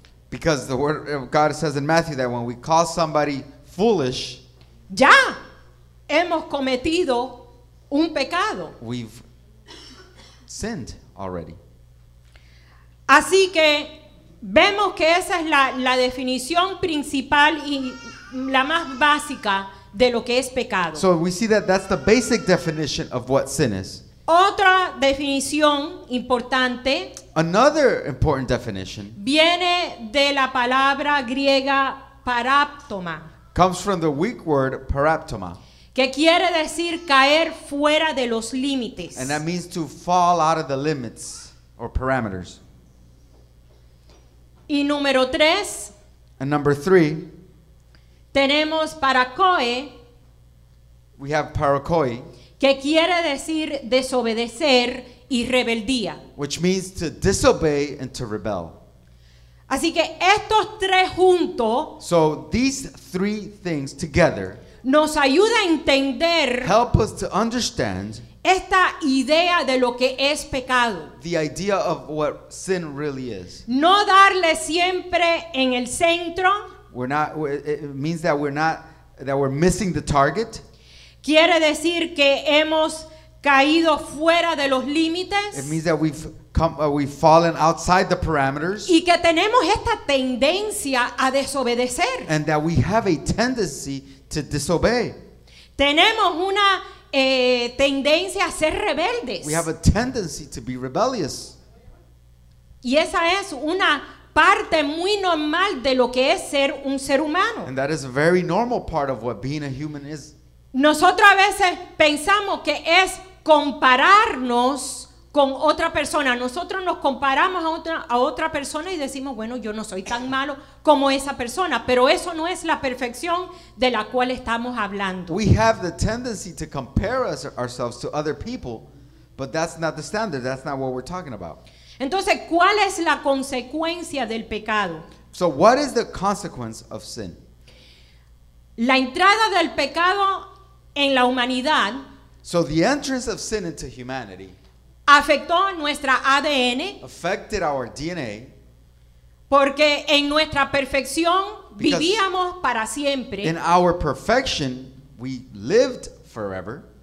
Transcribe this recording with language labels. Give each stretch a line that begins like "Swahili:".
English: because the word of God says in Matthew that when we call somebody foolish,
Spanish: ya hemos cometido un pecado.
English: We've sinned already.
Spanish: Así que vemos que esa es la definición principal y la más básica de lo que es pecado.
English: So we see that that's the basic definition of what sin is.
Spanish: Otra definición importante,
English: another important definition,
Spanish: viene de la palabra griega paraptoma.
English: Comes from the Greek word paraptoma.
Spanish: Que quiere decir caer fuera de los límites.
English: And that means to fall out of the limits or parameters.
Spanish: Y número tres,
English: and number three,
Spanish: tenemos parakoe.
English: We have parakoe.
Spanish: Que quiere decir desobedecer y rebeldía.
English: Which means to disobey and to rebel.
Spanish: Así que estos tres juntos,
English: so these three things together,
Spanish: nos ayuda a entender,
English: help us to understand,
Spanish: Esta idea de lo que es pecado.
English: The idea of what sin really is.
Spanish: No darle siempre en el centro.
English: We're not, it means that we're not, that we're missing the target.
Spanish: Quiere decir que hemos caído fuera de los límites.
English: It means that we've fallen outside the parameters.
Spanish: Y que tenemos esta tendencia a desobedecer.
English: And that we have a tendency to disobey.
Spanish: Tenemos una tendencia a ser rebeldes.
English: We have a tendency to be rebellious.
Spanish: Y esa es una parte muy normal de lo que es ser un ser humano.
English: And that is a very normal part of what being a human is.
Spanish: Nosotros a veces pensamos que es compararnos con otra persona. Nosotros nos comparamos a otra persona y decimos, bueno, yo no soy tan malo como esa persona. Pero eso no es la perfección de la cual estamos hablando.
English: We have the tendency to compare ourselves to other people, but that's not the standard. That's not what we're talking about.
Spanish: Entonces, ¿cuál es la consecuencia del pecado?
English: So what is the consequence of sin?
Spanish: La entrada del pecado en la humanidad.
English: So the entrance of sin into humanity
Spanish: afectó nuestra ADN.
English: Affected our DNA.
Spanish: Porque en nuestra perfección vivíamos para siempre.
English: In our perfection, we lived forever.